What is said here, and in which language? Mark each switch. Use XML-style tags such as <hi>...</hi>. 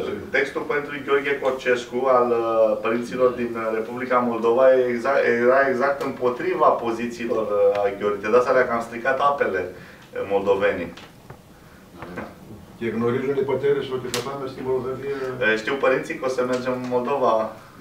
<ro>Textul pentru Gheorghe Corcescu al părinților din Republica Moldova era exact împotriva pozițiilor a Gheorghe. De asta le-a cam stricat apele moldovenii.</ro> <el>Και γνωρίζουν οι πατέρες ότι θα πάμε στη Μολδαβία.</el> <ro>Știu părinții că o să mergem în Moldova.</ro>